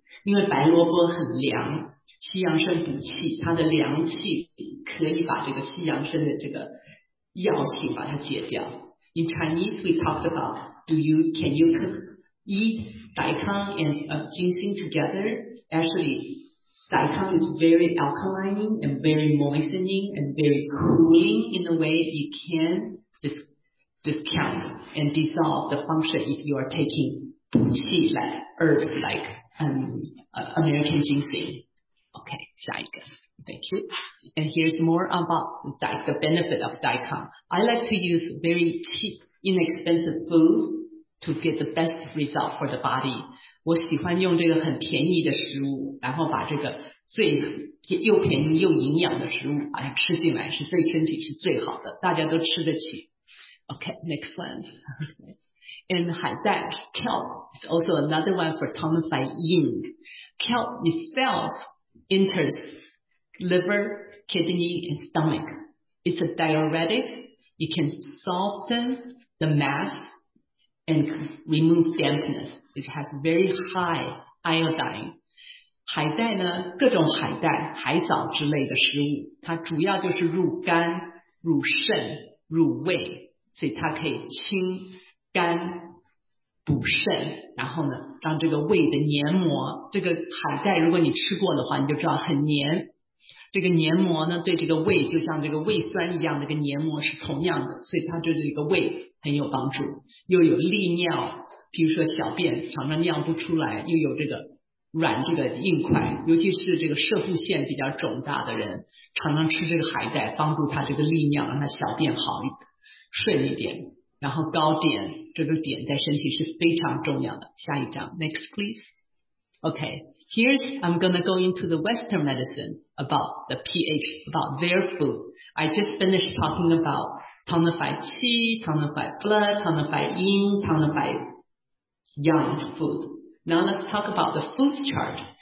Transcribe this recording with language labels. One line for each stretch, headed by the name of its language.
Chinese: 因为白萝卜很凉，西洋参补气，它的凉气可以把这个西洋参的这个药性把它解掉。
English: In Chinese, we talked about can you eat daikon and ginseng together? Actually, daikon is very alkaline and very moistening and very cooling in a way you can discount and dissolve the function if you are taking 补气 like herbs like American ginseng. Okay,
Chinese: 下一个
English: Thank you. And here's more about the benefit of daikon. I like to use very cheap, inexpensive food to get the best result for the body.
Chinese: 我喜欢用这个很便宜的食物，然后把这个最又便宜又营养的食物把它吃进来，是对身体是最好的，大家都吃得起。
English: Okay, next one. And 海带 kelp is also another one for tonifying. Kelp itself enters liver, kidney, and stomach. It's a diuretic. It can soften the mass and remove dampness. It has very high iodine.
Chinese: 海带呢，各种海带、海藻之类的食物，它主要就是入肝、入肾、入胃，所以它可以清肝补肾，然后呢，让这个胃的黏膜，这个海带如果你吃过的话，你就知道很黏。这个黏膜呢，对这个胃就像这个胃酸一样，这个黏膜是同样的，所以它对这个胃很有帮助。又有利尿，比如说小便常常尿不出来，又有这个软这个硬块，尤其是这个射护腺比较肿大的人，常常吃这个海带，帮助他这个利尿，让他小便好一点，顺一点。然后高碘，这个碘在身体是非常重要的。下一张 ，
English: next please。 Okay, here's, I'm going to go into the Western medicine about the pH, about their food. I just finished talking about tonify qi, tonify blood, tonify yin, tonify yang food. Now let's talk about the food chart.